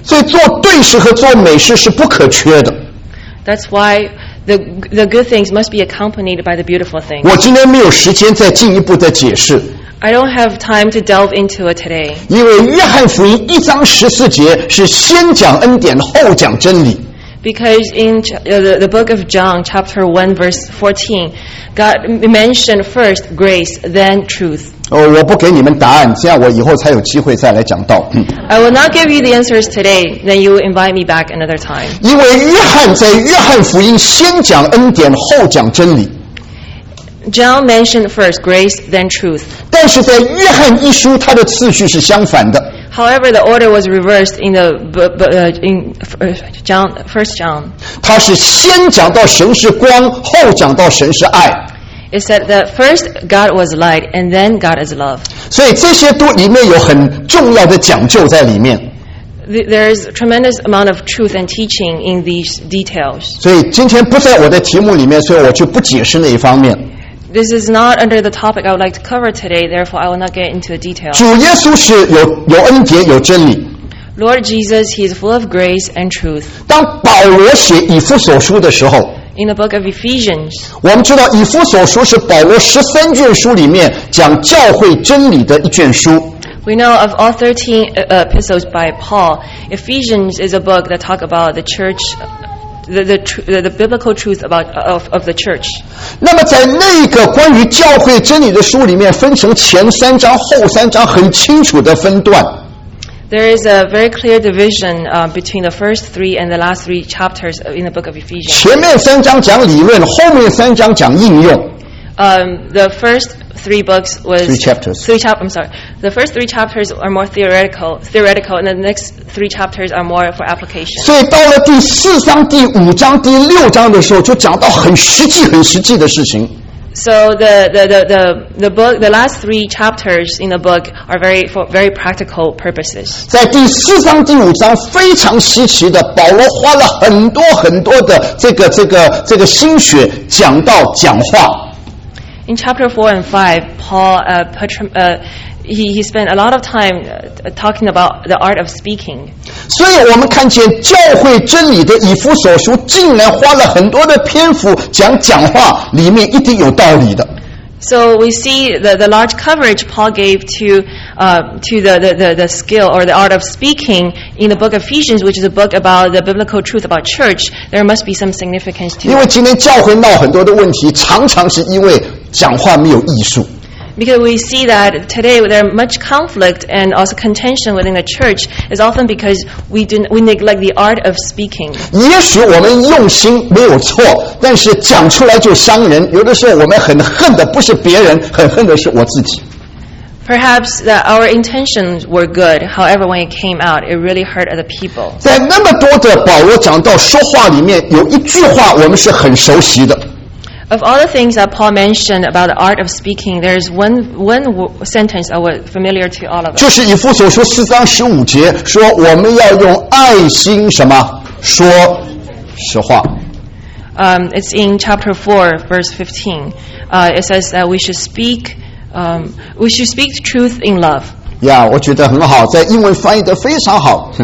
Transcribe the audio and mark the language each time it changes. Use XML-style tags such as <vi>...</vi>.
<zh>所以，做对事和做美事是不可缺的。</zh> <en>That's why. The good things must be accompanied by the beautiful things.</en> <zh>我今天没有时间再进一步的解释。</zh> <en>I don't have time to delve into it today.</en> <zh>因为约翰福音一章十四节是先讲恩典后讲真理。</zh> <en>Because in the book of John, chapter 1, verse 14, God mentioned first grace, then truth.</en> <zh>哦，我不给你们答案，这样我以后才有机会再来讲道。</zh> <en>I will not give you the answers today, then you will invite me back another time.</en> <zh>因为约翰在约翰福音先讲恩典，后讲真理。</zh> <en>John mentioned first grace, then truth.</en> <zh>但是在约翰一书，它的次序是相反的。</zh> <en>However, the order was reversed in the in John, first John.</en> <zh>他是先讲到神是光，后讲到神是爱。</zh> <en>It said that first God was light, and then God is love.</en> <zh>所以这些都里面有很重要的讲究在里面。</zh> <en>There is tremendous amount of truth and teaching in these details.</en> <zh>所以今天不在我的题目里面，所以我就不解释那一方面。</zh> <en>This is not under the topic I would like to cover today, therefore I will not get into the details.</en> <zh>主耶稣是有恩典有真理。</zh> <en>Lord Jesus, He is full of grace and truth.</en> <zh>当保罗写以弗所书的时候</zh> <en>In the book of Ephesians,</en> <zh>我们知道以弗所书是保罗十三卷书里面讲教会真理的一卷书。</zh> <en>We know of all 13 epistles by Paul, Ephesians is a book that talks about the church the biblical truth about of the church.</en> <zh>那么在那个关于教会真理的书里面，分成前三章、后三章，很清楚的分段。</zh> <en>There is a very clear division between the first three and the last three chapters in the book of Ephesians.</en> <zh>前面三章讲理论，后面三章讲应用。</zh> <en>The first three books was three chapters. I'm sorry. The first three chapters are more theoretical, and the next three chapters are more for application.</en> <zh>所以到了第四章、第五章、第六章的时候，就讲到很实际、很实际的事情。</zh> <en>So the book, the last three chapters in the book are very for very practical purposes.</en> <zh>在第四章、第五章非常稀奇的，保罗花了很多很多的这个心血讲道讲话。</zh> <en>In chapter 4 and 5, Paul he spent a lot of time talking about the art of speaking.</en> <zh>所以我们看见教会真理的以弗所书竟然花了很多的篇幅讲话，里面一定有道理的。</zh> <en>So we see the large coverage Paul gave to the skill or the art of speaking in the book of Ephesians, which is a book about the biblical truth about church. There must be some significance to it.</en> <zh>因为今天教会闹很多的问题，常常是因为讲话没有艺术。</zh> <en>Because we see that today there are much conflict and also contention within the church is often because we neglect the art of speaking.</en> <zh>也许我们用心没有错，但是讲出来就伤人。有的时候我们很恨的不是别人，很恨的是我自己。</zh> <en>Perhaps that our intentions were good. However, when it came out, it really hurt other people.</en> <zh>在那么多的保罗讲到说话里面，有一句话我们是很熟悉的。</zh> <en>Of all the things that Paul mentioned about the art of speaking, there is one sentence that was familiar to all of us.</en> <zh>就是以弗所书四章十五节说我们要用爱心什么说实话。</zh> <en>It's in chapter 4, verse 15. It says that we should speak truth in love.</en> <zh>Yeah, 我觉得很好，在英文翻译得非常好。</zh>